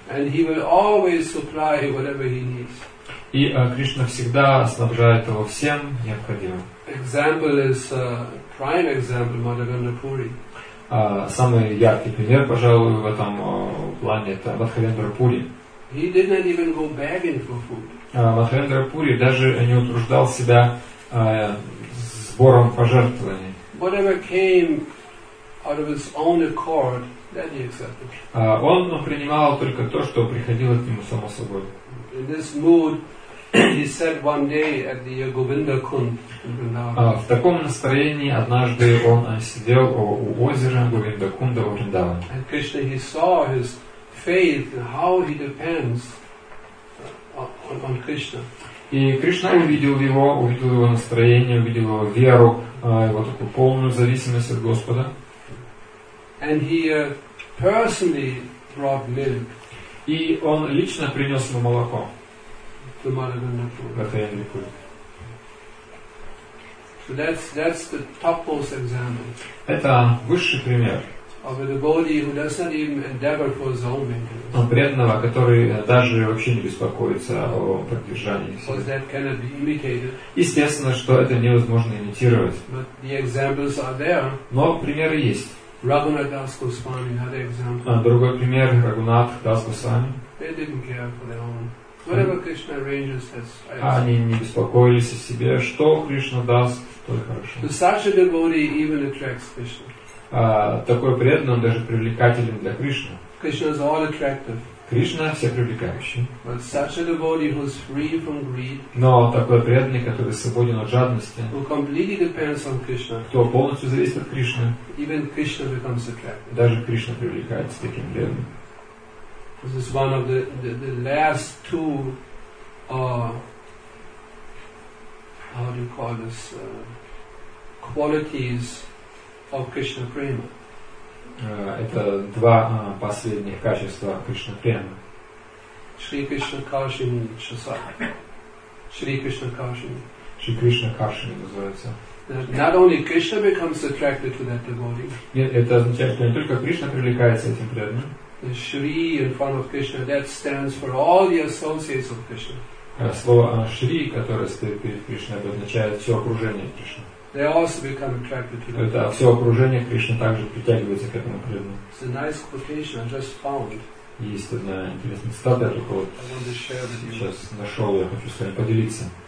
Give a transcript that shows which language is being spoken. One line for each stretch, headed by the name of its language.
English: And he will always supply whatever he needs.
Russian: И Кришна всегда снабжает его всем необходимым.
English: Example is prime example Madhavendra Puri.
Russian: Самый яркий пример, пожалуй, в этом плане это Мадхавендра Пури.
English: He did not even go begging for food.
Russian: Мадхавендра Пури даже не утруждал себя сбором пожертвований.
English: Whatever came out of his own accord, that he accepted.
Russian: Он принимал только то, что приходило к нему само собой.
English: In this mood, he said one day at the Govinda Kund in Vrindavan.
Russian: В таком настроении однажды он сидел у озера Говинда Кунда в Вриндаване.
English: And Krishna, he saw his faith and how he depends on Krishna.
Russian: И Кришна увидел его настроение, увидел его веру, его такую полную зависимость от Господа.
English: And he personally brought milk.
Russian: И он лично принес ему молоко.
English: The mother than the food.
Russian: Это я не курю.
English: So that's the topmost example.
Russian: Это высший пример.
English: Of a devotee who doesn't even endeavor for his own maintenance.
Russian: Преданного, который даже вообще не беспокоится о поддержании себя.
English: Because that cannot be imitated.
Russian: Естественно, что это невозможно имитировать.
English: But the examples are there.
Russian: Но примеры есть.
English: Raghunath Das Goswami, another example.
Russian: Другой пример, Raghunath Das Goswami.
English: They didn't care for their own. Whatever Krishna arranges, that's.
Russian: Они не беспокоились о себе. Что Кришна даст, то и хорошо.
English: But such a devotee even attracts Krishna.
Russian: Такой преданный, он даже привлекателен для Кришны.
English: Krishna is all attractive.
Russian: Кришна все привлекающий.
English: But such a devotee who is free from greed.
Russian: Но такой преданный, который свободен от жадности.
English: Who completely depends on Krishna.
Russian: Кто полностью зависит от Кришны.
English: Even Krishna becomes attractive.
Russian: Даже Кришна привлекается таким преданным.
English: This is one of the last two. How do you call this? Qualities. Of Krishna Prema.
Russian: Это два последних качества Кришна Према. Шри Кришна Кашини Шасак. Шри Кришна Кашини. Шри Кришна Кашини называется.
English: Not only Krishna becomes attracted to that devotee.
Russian: Нет, это означает, что не только Кришна привлекается этим преданным.
English: The Shri in front of Krishna, that stands for all the associates of Krishna.
Russian: Слово Шри, которое стоит перед Кришной, обозначает все окружение Кришны.
English: They also become attracted to
Russian: это все окружение Кришны также притягивается к этому преданному.
English: It's a nice quotation I just found.
Russian: Есть одна интересная цитата, я только вот сейчас нашел, я хочу с вами поделиться.